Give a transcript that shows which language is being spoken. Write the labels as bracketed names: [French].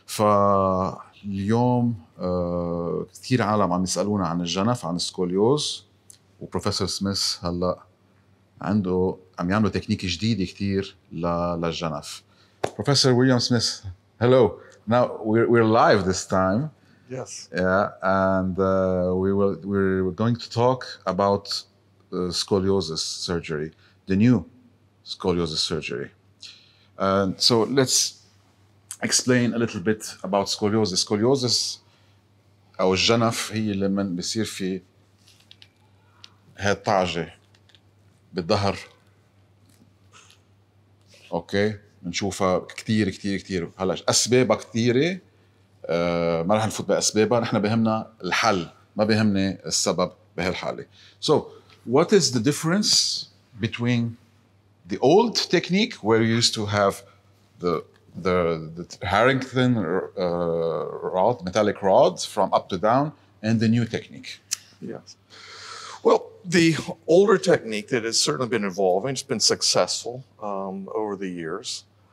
[Arabic] فاليوم كثير عالم عم يسألونا عن الجنف، عن السكوليوز، وبروفيسور سميث هلأ عنده عم يعمل تكنيك جديد كثير للجنف. بروفيسور ويليام سميث، [English] hello. Now we're live this time. Yes. Yeah, and we're going to talk about scoliosis surgery, the new scoliosis surgery. So let's explain a little bit about scoliosis. [Arabic] Scoliosis, أو الجنف، هي لما بيصير في هالطعجة بالظهر. أوكي، نشوفها كتير كتير كتير. هلا أسبابها كتيرة، ما رح نفوت بأسبابها، نحن بهمنا الحل، ما بهمني السبب بهالحالة. [English] So what is the difference between the old technique where you used to have the Harrington rod, metallic rods from up to down, and the new technique? Yes. Well, the older technique that has certainly been evolving, it's been successful over the years.